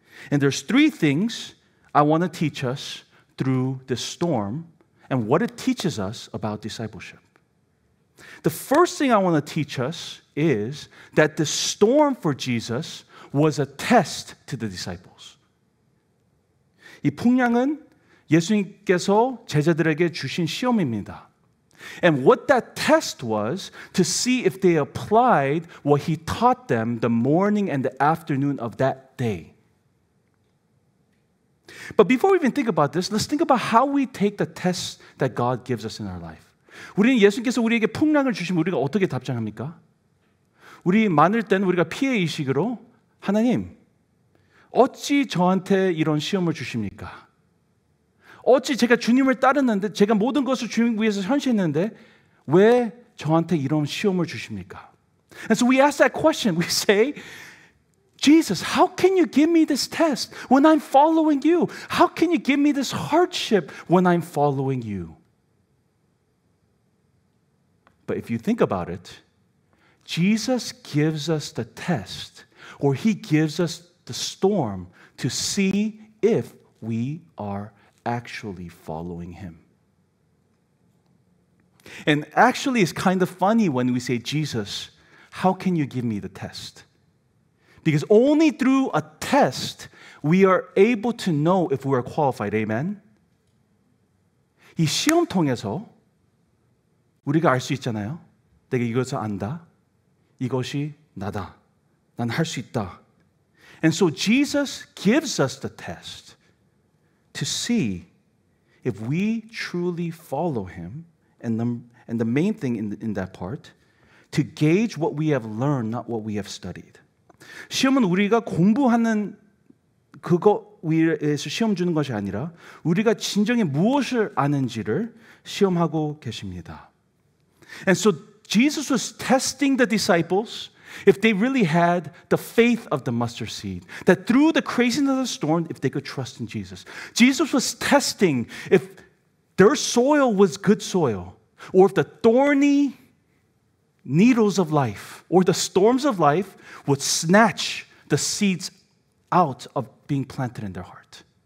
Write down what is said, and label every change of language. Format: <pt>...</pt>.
<en>And there's three things I want to teach us through this storm and what it teaches us about discipleship. The first thing I want to teach us is that the storm for Jesus was a test to the disciples.</en> <ko>이 풍랑은 예수님께서 제자들에게 주신 시험입니다.</ko> <en>And what that test was to see if they applied what he taught them the morning and the afternoon of that day. But before we even think about this, let's think about how we take the tests that God gives us in our life.</en> <ko>우리는 예수님께서 우리에게 풍랑을 주시면 우리가 어떻게 답장합니까? 우리 많을 때는 우리가 피해의식으로 하나님, 어찌 저한테 이런 시험을 주십니까? 어찌 제가 주님을 따르는데 제가 모든 것을 주님 위해서 헌신했는데 왜 저한테 이런 시험을 주십니까?</ko> <en>And so we ask that question. We say, Jesus, how can you give me this test when I'm following you? How can you give me this hardship when I'm following you? But if you think about it, Jesus gives us the test, or he gives us the storm to see if we are actually following him. And actually, it's kind of funny when we say, Jesus, how can you give me the test? Because only through a test, we are able to know if we are qualified. Amen?</en> <ko>이 시험 통해서 우리가 알 수 있잖아요. 내가 이것을 안다. 이것이 나다. 난 할 수 있다.</ko> <en>And so Jesus gives us the test to see if we truly follow him. And the main thing in that part, to gauge what we have learned, not what we have studied.</en> <ko>시험은 우리가 공부하는 그거 위에서 시험 주는 것이 아니라 우리가 진정에 무엇을 아는지를 시험하고 계십니다.</ko> <en>And so Jesus was testing the disciples if they really had the faith of the mustard seed, that through the craziness of the storm, if they could trust in Jesus. Jesus was testing if their soil was good soil, or if the thorny needles of life or the storms of life would snatch the seeds out of being planted in their heart.</en>